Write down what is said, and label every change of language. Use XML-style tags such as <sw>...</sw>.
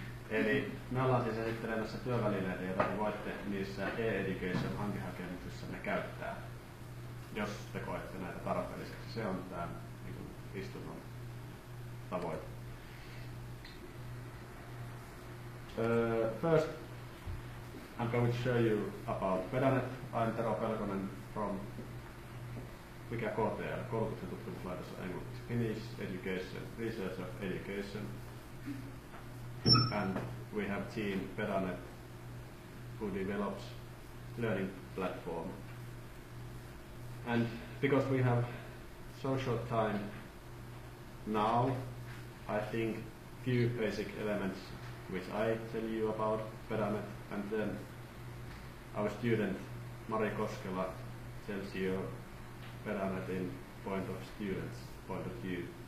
<fi>Eli me ollaan siis esittelemässä työvälineitä, joita te voitte niissä e-education-hankehakemuksissa ne käyttää. Jos te koette näitä tarpeelliseksi. Se on tämä niin istunnon tavoite.</fi> <en>First, I'm going to show you about Pedanet. I'm Tero Pelkonen from</en> <fi>mikä KTL, koulutuksen tutkimuslaitos on englanniksi.</fi> <en>Finnish Education, Research of Education. And we have team Pedanet who develops learning platform. And because we have so short time now, I think few basic elements which I tell you about Pedanet, and then our student Mari Koskela tells you Pedanet in point of students point of view.</en>